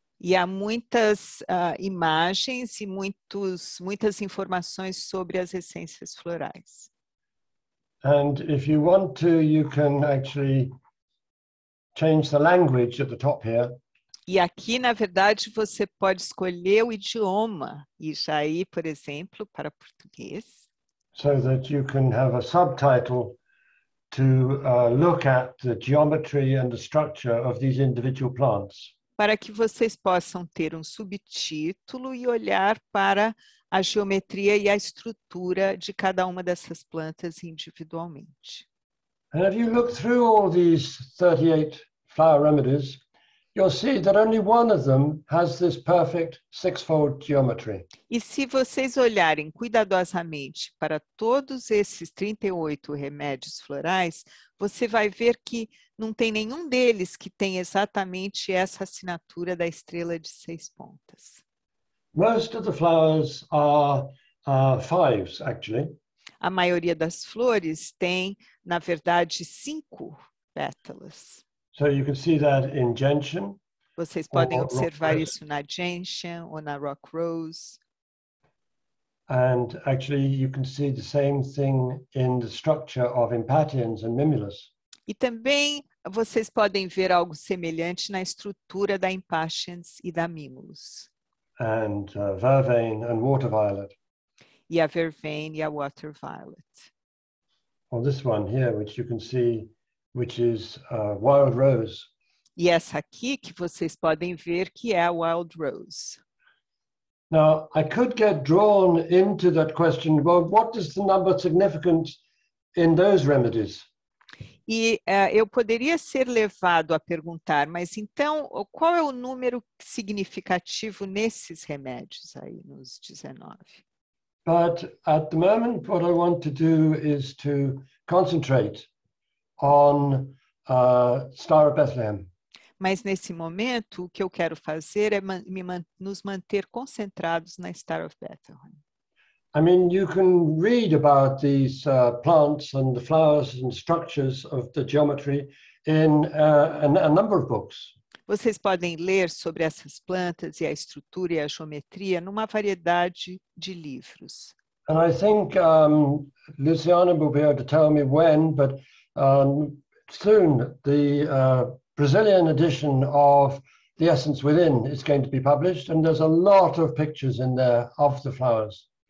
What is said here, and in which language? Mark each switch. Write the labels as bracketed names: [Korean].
[Portuguese] E há muitas imagens e muitas informações sobre as essências florais. [English] And if you want to, you can actually change the language at the top here. [Portuguese] E aqui, na verdade, você pode escolher o idioma. E já aí, por exemplo, para português. [English] So that you can have a subtitle to look at the geometry and the structure of these individual plants. [Portuguese] Para que vocês possam ter um subtítulo e olhar para a geometria e a estrutura de cada uma dessas plantas individualmente. [English] And if you look through all these 38 flower remedies, you'll see that only one of them has this perfect six-fold geometry. [Portuguese] E se vocês olharem cuidadosamente para todos esses 38 remédios florais, você vai ver que não tem nenhum deles que tem exatamente essa assinatura da estrela de seis pontas. [English] Most of the flowers are fives, actually. [Portuguese] A maioria das flores tem, na verdade, cinco pétalas. [English] So you can see that in gentian. [Portuguese] Vocês podem observar isso na gentian ou na rock rose. [English] And actually, you can see the same thing in the structure of impatiens and mimulus. [Portuguese] E também vocês podem ver algo semelhante na estrutura da impatiens e da mimulus. [English] And vervain and water violet. [Portuguese] E a vervain e a water violet. [English] Or this one here, which you can see, which is wild rose. [Portuguese] E essa aqui que vocês podem ver que é a wild rose. [English] Now, I could get drawn into that question, well, what is the number significant in those remedies? [Portuguese] E eu poderia ser levado a perguntar, mas então, qual é o número significativo nesses remédios aí, nos 19? [English] But at the moment, what I want to do is to concentrate on Star of Bethlehem. [Portuguese] Mas nesse momento, o que eu quero fazer é nos manter concentrados na Star of Bethlehem. [English] I mean, you can read about these plants and the flowers and structures of the geometry in a number of books. [Portuguese] Vocês podem ler sobre essas plantas e a estrutura e a geometria numa variedade de livros. [English] And I think Luciana will be able to tell me when, but soon the Brazilian edition of The Essence Within is going to be published, and there's a lot of pictures in there of the flowers.